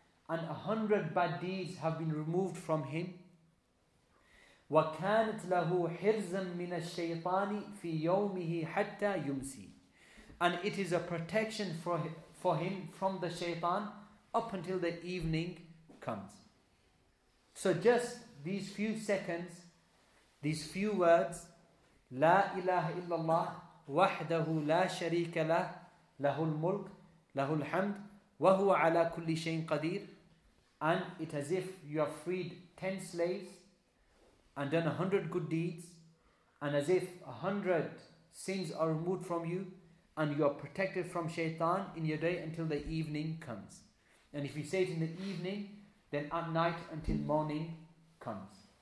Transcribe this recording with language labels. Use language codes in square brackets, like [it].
[en] And 100 bad deeds have been removed from him. [ar] وَكَانَتْ لَهُ حِرْزًا مِنَ الشَّيْطَانِ فِي يَوْمِهِ حَتَّى يُمْسِي. [en] And it is a protection for him from the shaitan up until the evening comes. So just these few seconds, these few words, [ar] لا إله إلا الله وحده لا شريك له له الملك له الحمد وهو على كل شيء قدير. [en] And it is as if you have freed 10 slaves and done 100 good deeds, and as if 100 sins are removed from you, and you are protected from shaitan in your day until the evening comes. And if you say it in the evening, then at night until morning comes.